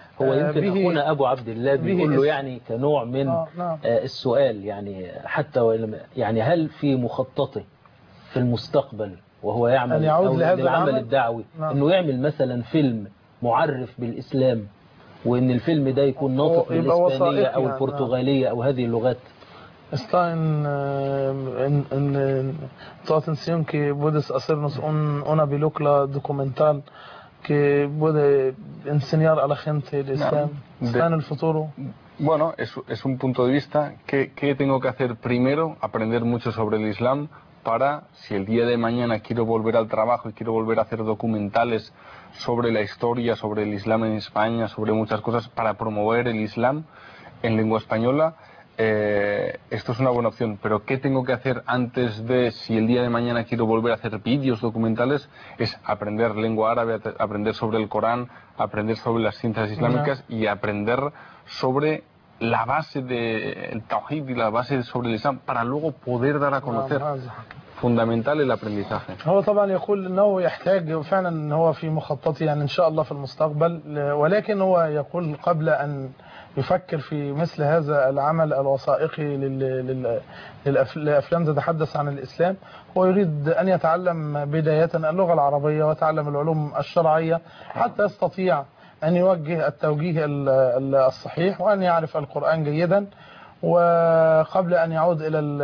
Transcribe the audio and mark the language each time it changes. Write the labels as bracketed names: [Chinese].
[Arabic] هو يمكن أخونا أبو عبد الله بيقول له يعني كنوع من السؤال يعني حتى يعني هل في مخططه في المستقبل وهو يعمل أو لهذا العمل الدعوي أنه يعمل مثلا فيلم معرف بالإسلام وأن الفيلم ده يكون ناطق بالإسبانية أو البرتغالية أو هذه اللغات [Spanish] استاين ان تاتنسيون كي بودس اسيرنس اون اونا بيلوكلا دوكومنتال que puede enseñar a la gente el Islam, está en el futuro. Bueno, es un punto de vista. ¿Qué tengo que hacer primero? Aprender mucho sobre el Islam para, si el día de mañana quiero volver al trabajo y quiero volver a hacer documentales sobre la historia, sobre el Islam en España, sobre muchas cosas, para promover el Islam en lengua española, esto es una buena opción. Pero ¿qué tengo que hacer antes de, si el día de mañana quiero volver a hacer vídeos documentales? Es aprender lengua árabe, aprender sobre el Corán, aprender sobre las ciencias islámicas y aprender sobre la base del Tauhid y la base sobre el Islam para luego poder dar a conocer. Fundamental el aprendizaje. [Arabic] هو طبعا يقول انه يحتاج فعلا هو في مخططه يعني ان شاء الله في المستقبل ولكن هو يقول قبل ان يفكر في مثل هذا العمل الوثائقي للأفلام تتحدث عن الإسلام هو يريد أن يتعلم بداية اللغة العربية ويتعلم العلوم الشرعية حتى يستطيع أن يوجه التوجيه الصحيح وأن يعرف القرآن جيدا وقبل أن يعود إلى